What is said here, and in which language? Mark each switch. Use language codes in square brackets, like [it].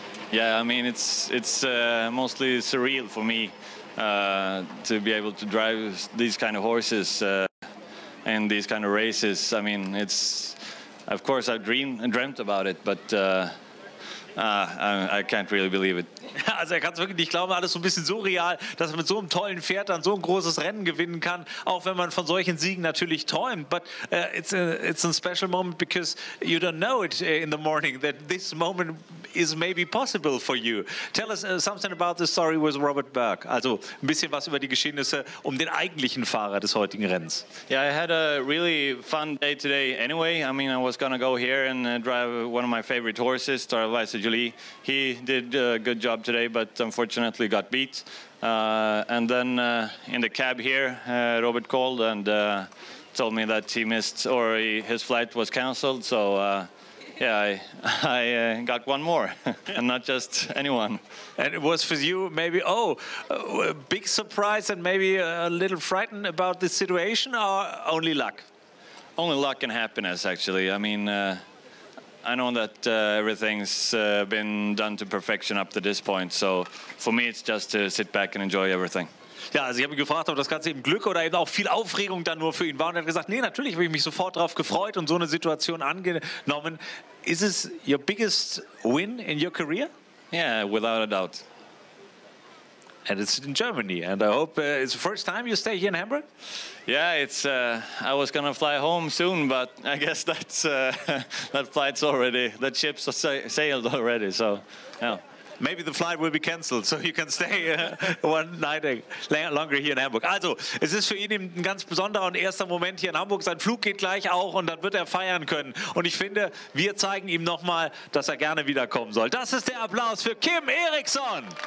[en] Yeah, I mean it's mostly surreal for me. To be able to drive these kind of horses and these kind of races, I mean, it's, of course, I dreamt about it, but I can't really believe it. [de] Also er kann es wirklich nicht glauben, alles so ein bisschen surreal, dass man mit so einem tollen Pferd dann so ein großes Rennen gewinnen kann, auch wenn man von solchen Siegen natürlich träumt. [en] But it's a special moment because you don't know it in the morning that this moment is maybe possible for you. Tell us something about the story with Robert Berg. [de] Also ein bisschen was über die Geschehnisse um den eigentlichen Fahrer des heutigen Rennens. [en] Yeah, I had a really fun day today anyway. I mean, I was gonna go here and drive one of my favorite horses, Star Vice Julie. He did a good job today, but unfortunately got beat. And then in the cab here, Robert called and told me that he missed or his flight was canceled. So I got one more and not just anyone. And it was for you maybe, a big surprise and maybe a little frightened about the situation or only luck? Only luck and happiness, actually. I mean, I know that everything's been done to perfection up to this point, so for me it's just to sit back and enjoy everything. [de] Ja, also ich habe ihn gefragt, ob das Ganze eben Glück oder eben auch viel Aufregung dann nur für ihn war. Und er hat gesagt, nee, natürlich habe ich mich sofort darauf gefreut und so eine Situation angenommen. [en] Is this your biggest win in your career? Yeah, without a doubt. And it's in Germany, and I hope it's the first time you stay here in Hamburg? Yeah, it's. I was gonna fly home soon, but I guess that's that flight's already, that ship's sailed already, so, yeah. Maybe the flight will be cancelled, so you can stay one night longer here in Hamburg. [de] Also, es ist für ihn ein ganz besonderer und erster Moment hier in Hamburg. Sein Flug geht gleich auch und dann wird er feiern können. Und ich finde, wir zeigen ihm nochmal, dass er gerne wiederkommen soll. Das ist der Applaus für Kim Eriksson.